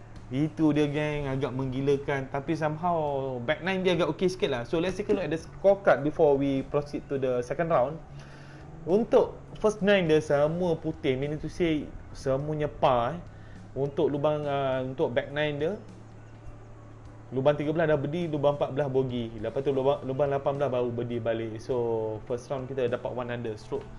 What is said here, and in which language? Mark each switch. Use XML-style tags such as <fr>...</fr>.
<ms>Itu dia geng, agak menggilakan. Tapi somehow back nine dia agak okey sikit lah.</ms> <en>So let's take a look at the scorecard before we proceed to the second round.</en> <ms>Untuk first nine dia semua putih,</ms> <en>meaning to say</en> <ms>semuanya par. Untuk lubang untuk back nine dia, lubang 13 dah birdie, lubang 14 bogey. Lepas tu lubang 18 baru birdie balik. So first round kita dapat 1 under stroke.</ms>